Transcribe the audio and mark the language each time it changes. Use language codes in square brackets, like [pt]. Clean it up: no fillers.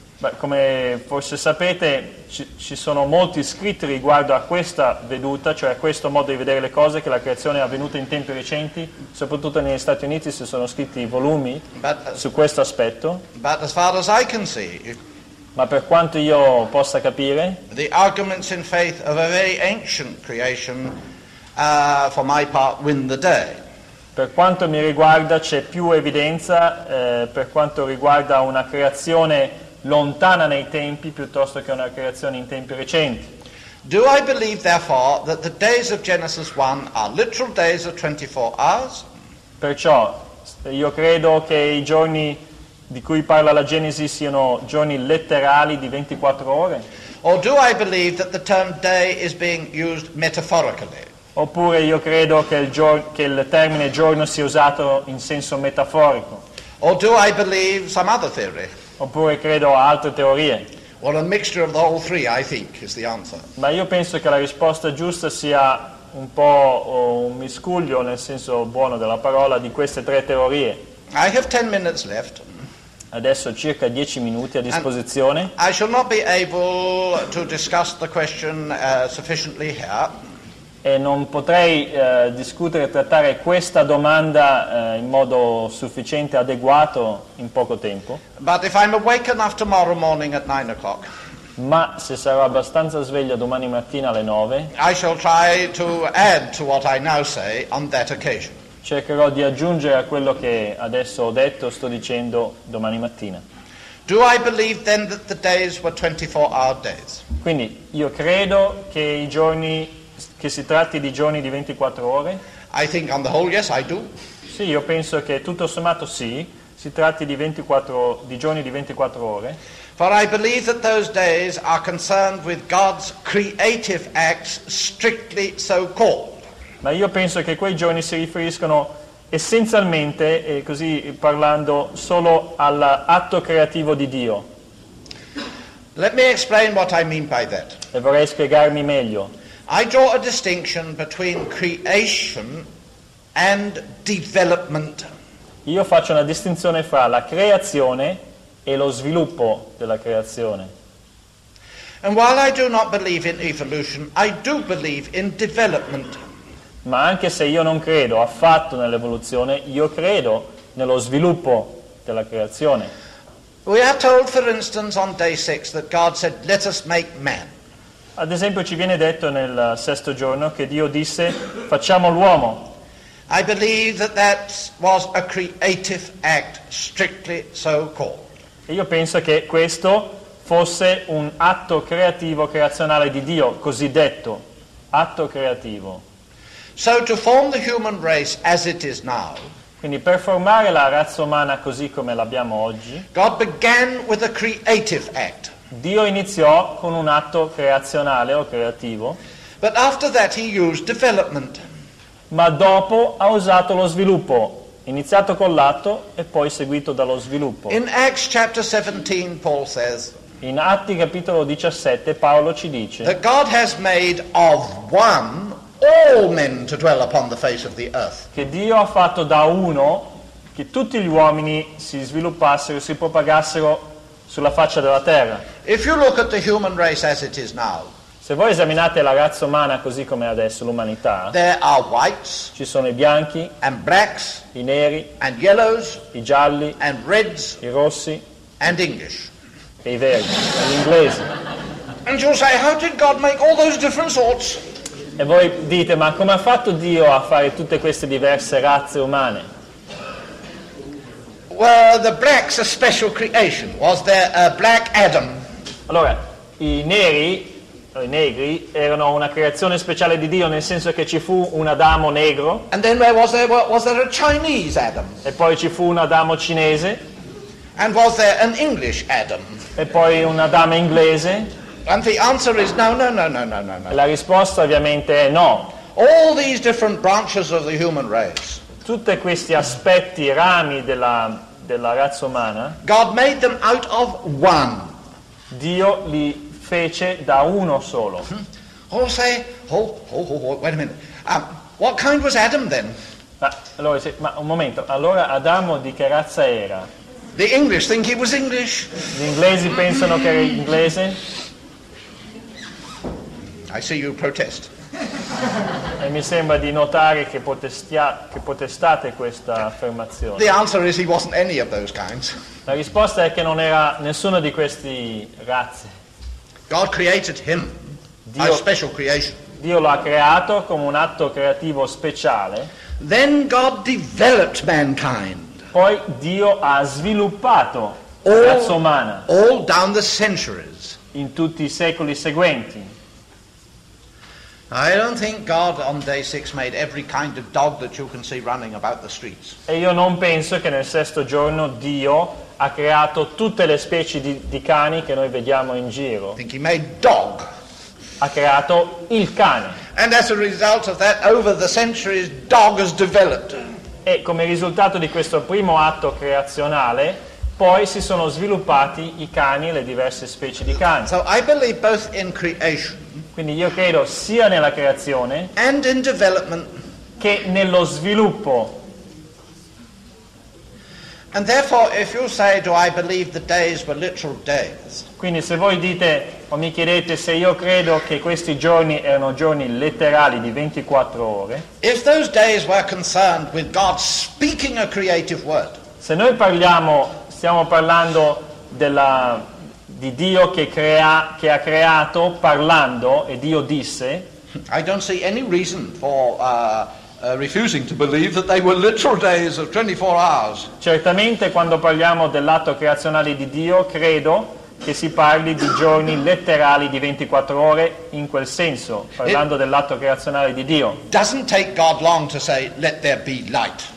[it] Ma come forse sapete, ci sono molti scritti riguardo a questa veduta, cioè a questo modo di vedere le cose, che la creazione è avvenuta in tempi recenti, soprattutto negli Stati Uniti si sono scritti volumi su questo aspetto. [en] But as far as I can see, [it] ma per quanto io possa capire, [en] the arguments in faith of a very ancient creation, for my part, win the day. [it] Per quanto mi riguarda, c'è più evidenza per quanto riguarda una creazione lontana nei tempi piuttosto che una creazione in tempi recenti. [en] Do I believe therefore that the days of Genesis 1 are literal days of 24 hours? [it] Perciò io credo che i giorni di cui parla la Genesi siano giorni letterali di 24 ore? [en] Or do I believe that the term day is being used metaphorically? [it] Oppure io credo che il termine giorno sia usato in senso metaforico? [en] Or do I believe some other theory? [it] Oppure credo a altre teorie? [en] Well, a mixture of the whole three, I think, is the answer. [it] Ma io penso che la risposta giusta sia un po' un miscuglio, nel senso buono della parola, di queste tre teorie. [en] I have 10 minutes left. [it] Adesso circa 10 minuti a disposizione. [en] And I shall not be able to discuss the question sufficiently here. [it] E non potrei discutere e trattare questa domanda in modo sufficiente, adeguato, in poco tempo. [en] But if I'm awake enough tomorrow morning at 9 o'clock. [it] Ma se sarò abbastanza sveglio domani mattina alle 9. [en] I shall try to add to what I now say on that occasion. [it] Cercherò di aggiungere a quello che adesso ho detto, sto dicendo domani mattina. [en] Do I believe then that the days were 24-hour days? [it] Quindi io credo che i giorni, che si tratti di giorni di 24 ore. [en] I think on the whole, yes, I do. [it] Sì, io penso che tutto sommato sì, si tratti di 24, di giorni di 24 ore. [en] For I believe that those days are concerned with God's creative acts, strictly so called. [it] Ma io penso che quei giorni si riferiscono essenzialmente, e così parlando, solo all'atto creativo di Dio. [en] Let me explain what I mean by that. [it] E vorrei spiegarmi meglio. [en] I draw a distinction between creation and development. [it] Io faccio una distinzione fra la creazione e lo sviluppo della creazione. [en] And while I do not believe in evolution, I do believe in development. [it] Ma anche se io non credo affatto nell'evoluzione, io credo nello sviluppo della creazione. [en] We are told, for instance, on day 6 that God said, "Let us make man." [it] Ad esempio, ci viene detto nel sesto giorno che Dio disse, "Facciamo l'uomo." [en] I believe that that was a creative act, strictly so called. [it] E io penso che questo fosse un atto creativo, creazionale di Dio, cosiddetto atto creativo. [en] So to form the human race as it is now. [it] Quindi per formare la razza umana così come l'abbiamo oggi. [en] God began with a creative act. [it] Dio iniziò con un atto creazionale o creativo. [en] But after that he used development. [it] Ma dopo ha usato lo sviluppo, iniziato con l'atto e poi seguito dallo sviluppo. [en] In Acts chapter 17 Paul says. [it] In Atti capitolo 17 Paolo ci dice. [en] That God has made of one all men to dwell upon the face of the earth. [it] Che Dio ha fatto da uno che tutti gli uomini si sviluppassero, si propagassero sulla faccia della terra. [en] If you look at the human race as it is now, [it] se voi esaminate la razza umana così come adesso l'umanità, [en] there are whites, [it] ci sono i bianchi, [en] and blacks, [it] i neri, [en] and yellows, [it] i gialli, [en] and reds, [it] i rossi, [en] and English, [it] e i verdi, e gli inglesi. [en] And you'll say, how did God make all those different sorts? [it] E voi dite, ma come ha fatto Dio a fare tutte queste diverse razze umane? [en] Well, the blacks a special creation. Was there a black Adam? [it] Allora, i neri, o i negri, erano una creazione speciale di Dio, nel senso che ci fu un Adamo negro. [en] And then where was there a Chinese Adam? [it] E poi ci fu un Adamo cinese. [en] And was there an English Adam? [it] E poi un Adamo inglese. [en] And the answer is no. [it] La risposta ovviamente è no. [en] All these different branches of the human race. [it] Tutti questi aspetti, rami della razza umana. [en] God made them out of one. [it] Dio li fece da uno solo. [en] Or say, hold, wait a minute. What kind was Adam then? [it] Ma un momento. Allora Adamo di che razza era? [en] The English think he was English. [it] Gli inglesi pensano che era inglese. [en] I see you protest. [it] E mi sembra di notare che protestate questa affermazione. [en] The answer is he wasn't any of those kinds. [it] La risposta è che non era nessuno di questi razze. [en] God created him. Dio, a special creation. [it] Dio lo ha creato come un atto creativo speciale. [en] Then God developed mankind. [it] Poi Dio ha sviluppato la razza umana. [en] All down the centuries. [it] In tutti i secoli seguenti. [en] I don't think God on day six made every kind of dog that you can see running about the streets. [it] E io non penso che nel sesto giorno Dio ha creato tutte le specie di cani che noi vediamo in giro. [en] I think he made dog. [it] Ha creato il cane. [en] And as a result of that, over the centuries, dog has developed. [it] E come risultato di questo primo atto creazionale, poi si sono sviluppati i cani, le diverse specie di cani. [en] So I believe both in creation. [it] Quindi io credo sia nella creazione [en] and in development [it] che nello sviluppo. [en] And therefore, if you say, do I believe the days were literal days? [it] Quindi se voi dite o mi chiedete se io credo che questi giorni erano giorni letterali di 24 ore. [en] If those days were concerned with God speaking a creative word. [it] Se noi parliamo, stiamo parlando della di Dio che crea, che ha creato parlando e Dio disse. [en] I don't see any reason for refusing to believe that they were literal days of 24 hours. [it] Certamente quando parliamo dell'atto creazionale di Dio, credo che si parli di giorni letterali di 24 ore in quel senso, parlando [en] it [it] dell'atto creazionale di Dio. [en] Doesn't take God long to say, let there be light.